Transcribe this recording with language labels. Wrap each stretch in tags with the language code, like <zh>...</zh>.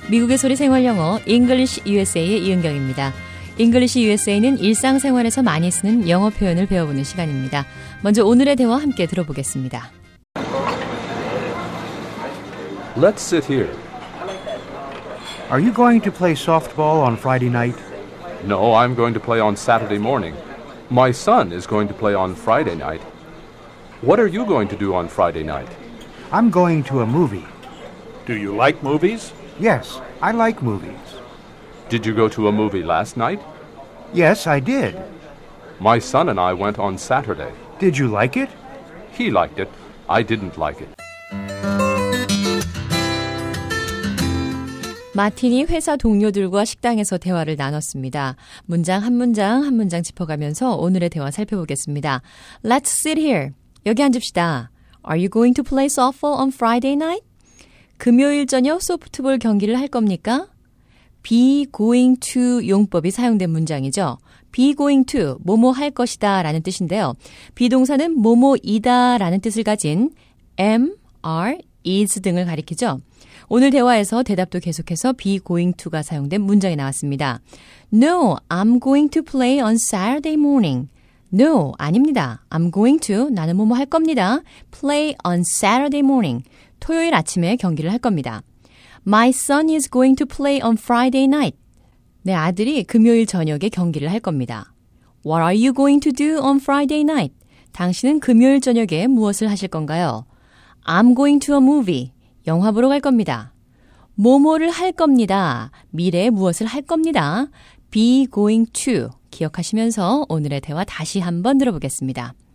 <ko>미국의 소리 생활 영어 English USA의 이은경입니다. English USA는 일상생활에서 많이 쓰는 영어 표현을 배워보는 시간입니다. 먼저 오늘의 대화 함께 들어보겠습니다.</ko> <en>Let's sit here. Are you going to play softball on Friday night? No, I'm going to play on Saturday morning. My son is going to play on Friday night. What are you going to do on Friday night? I'm going to a movie. Do you like movies? Yes, I like movies. Did you go to a movie last night? Yes, I did. My son and I went on Saturday. Did you like it? He liked it. I didn't like it.</en> <ko>마틴이 회사 동료들과 식당에서 대화를 나눴습니다. 문장 한 문장 한 문장 짚어가면서 오늘의 대화 살펴보겠습니다.</ko> <en>Let's sit here.</en> <ko>여기 앉읍시다.</ko> <en>Are you going to play softball on Friday night?</en> <ko>금요일 저녁 소프트볼 경기를 할 겁니까? Be going to 용법이 사용된 문장이죠. Be going to, 뭐뭐 할 것이다 라는 뜻인데요. 비동사는 뭐뭐이다 라는 뜻을 가진 am, are, is 등을 가리키죠. 오늘 대화에서 대답도 계속해서 be going to가 사용된 문장이 나왔습니다.</ko> <en>No, I'm going to play on Saturday morning.</en> <ko>No, 아닙니다.</ko> <en>I'm going to,</en> <ko>나는 뭐뭐 할 겁니다.</ko> <en>Play on Saturday morning.</en> <ko>토요일 아침에 경기를 할 겁니다.</ko> <en>My son is going to play on Friday night.</en> <ko>내 아들이 금요일 저녁에 경기를 할 겁니다.</ko> <en>What are you going to do on Friday night?</en> <ko>당신은 금요일 저녁에 무엇을 하실 건가요?</ko> <en>I'm going to a movie.</en> <ko>영화 보러 갈 겁니다. 뭐뭐를 할 겁니다. 미래에 무엇을 할 겁니다.</ko> <en>Be going to.</en> <ko>기억하시면서 오늘의 대화 다시 한번 들어보겠습니다.</ko>